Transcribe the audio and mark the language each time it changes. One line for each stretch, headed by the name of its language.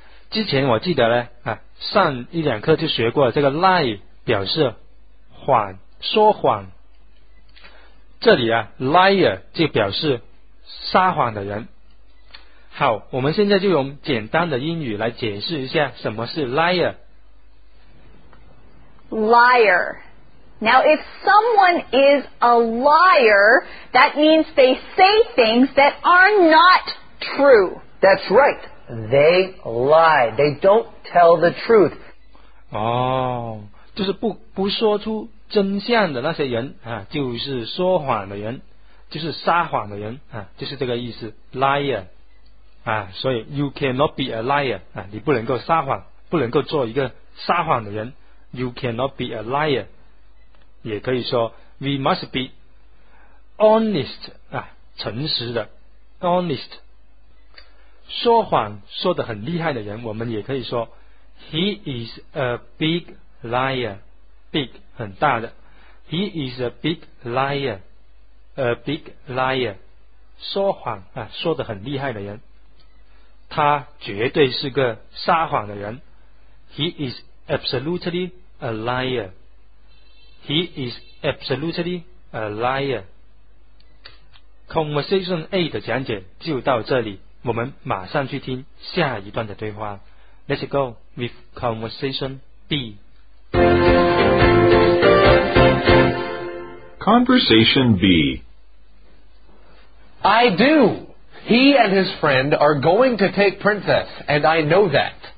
Chinese: 之前我记得呢啊，上一两课就学过了这个 lie 表示谎，说谎。这里啊 ，liar 就表示撒谎的人。” 好，我们现在就用简单的英语来解释一下什么是 liar。
English: Liar. Now if someone is a liar, that means they say things that are not true. That's right. They lie. They don't tell the truth.
Chinese: 哦，就是不说出真相的那些人啊，就是说谎的人，就是撒谎的人啊，就是这个意思 liar啊，所以
English: you cannot be a liar
Chinese: 啊，你不能够撒谎，不能够做一个撒谎的人。
English: You cannot be a liar，
Chinese: 也可以说
English: we must be honest
Chinese: 啊，诚实的
English: honest。
Chinese: 说谎说得很厉害的人，我们也可以说
English: he is a big liar，
Chinese: big 很大的 he is
English: a big liar，
Chinese: a big liar， 说谎啊，说得很厉害的人。他绝对是个撒谎的人。
English: He is absolutely a liar. He is absolutely a liar.
Chinese: Conversation A 的讲解就到这里，我们马上去听下一段的对话。
English: Let's go with Conversation B. Conversation B. I do. He and his friend are going to take Princess, and I know that.